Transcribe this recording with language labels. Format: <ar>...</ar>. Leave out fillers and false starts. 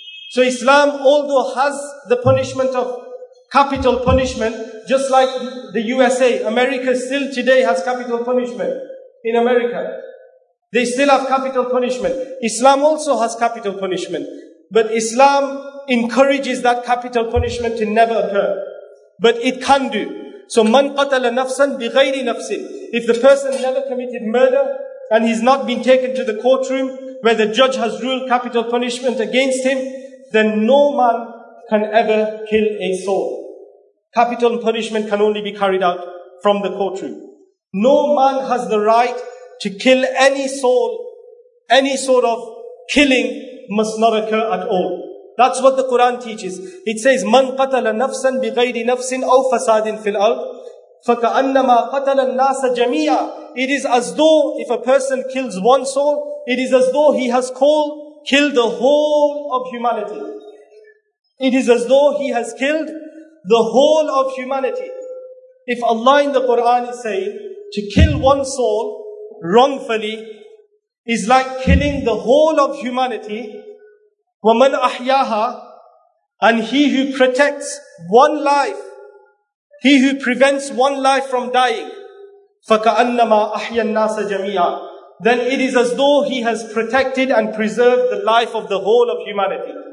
<en>So Islam, although has the punishment of capital punishment, just like the USA, America still today has capital punishment in America. They still have capital punishment. Islam also has capital punishment. But Islam encourages that capital punishment to never occur. But it can do.</en> <ar>So, مَنْ قَتَلَ نَفْسًا بِغَيْرِ نَفْسٍ.</ar> <en>If the person never committed murder and he's not been taken to the courtroom where the judge has ruled capital punishment against him, then no man can ever kill a soul. Capital punishment can only be carried out from the courtroom. No man has the right to kill any soul. Any sort of killing must not occur at all. That's what the Quran teaches. It says,</en> <ar>مَنْ قَتَلَ نَفْسًا بِغَيْرِ نَفْسٍ أَوْ فَسَادٍ فِي الْأَرْضِ فَكَأَنَّمَا قَتَلَ النَّاسَ جَمِيعًا.</ar> <en>It is as though, if a person kills one soul, it is as though he has killed the whole of humanity. It is as though he has killed the whole of humanity. If Allah in the Quran is saying, to kill one soul wrongfully is like killing the whole of humanity,</en> <ar>وَمَنْ أَحْيَاهَا,</ar> <en>and he who protects one life, he who prevents one life from dying,</en> <ar>فَكَأَنَّمَا أَحْيَا النَّاسَ جَمِيعًا,</ar> <en>then it is as though he has protected and preserved the life of the whole of humanity.</en>